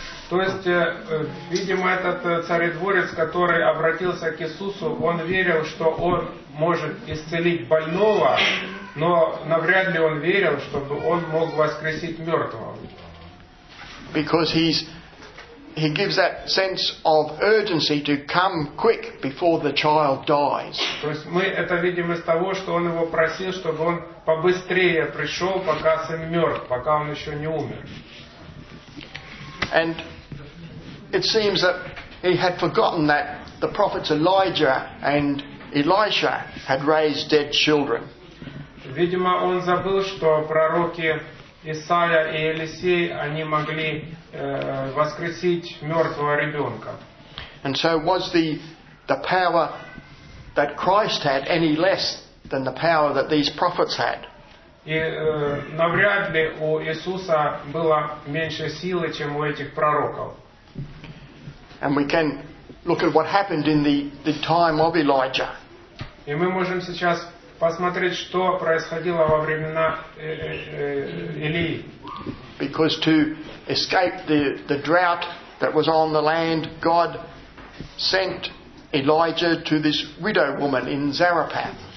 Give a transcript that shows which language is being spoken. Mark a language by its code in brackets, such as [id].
[ru] То есть, видимо, этот царедворец, который обратился к Иисусу, он верил, что он может исцелить больного, но навряд ли он верил, чтобы он мог воскресить мертвого. [en] Because he's he gives that sense of urgency to come quick before the child dies. [ru] То есть мы это видим из того, что он его просил, чтобы он побыстрее пришел, пока сын мертв, пока он еще не умер. [en] And it seems that he had forgotten that the prophets Elijah and Elisha had raised dead children. [ru] Видимо, он забыл, что пророки Исаия и Елисей, они могли воскресить мертвого ребенка. [en] And so was the power that Christ had any less than the power that these prophets had? [ru] И навряд ли у Иисуса было меньше силы, чем у этих пророков. [en] And we can look at what happened in the time of Elijah. [ru] И мы можем сейчас посмотреть, что происходило во времена Илии. [en] Because to escape the drought that was on the land, God sent Elijah to this widow woman in Zarephath.